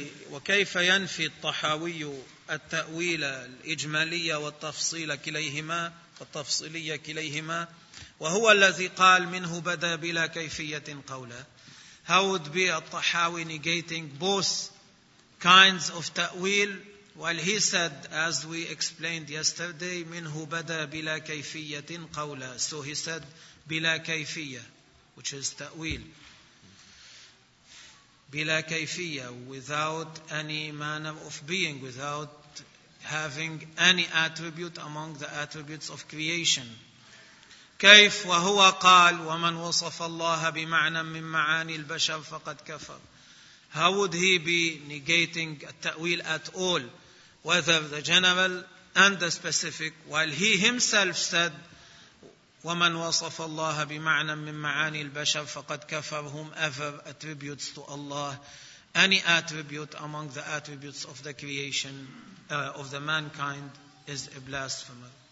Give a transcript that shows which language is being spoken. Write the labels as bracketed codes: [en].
[ar] وكيف ينفي الطحاوي التأويل الإجمالية والتفصيل كليهما والتفصيلية كليهما وهو الذي قال منه بدا بلا كيفية قولا. [en] How would be al-Tahawi negating both kinds of ta'wil while he said, as we explained yesterday, [ar] minhu bada bila kayfiyatin qawla. [en] So he said, bila kayfiyya, which is ta'wil. Bila kayfiyya, without any manner of being, without having any attribute among the attributes of creation. [ar] كيف وهو قال ومن وصف الله بمعنى من معاني البشر فقد كفر. [en] How would he be negating التأويل at all, whether the general and the specific, while he himself said [ar] ومن وصف الله بمعنى من معاني البشر فقد كفر, [en] whomever attributes to Allah any attribute among the attributes of the creation of the mankind is a blasphemer.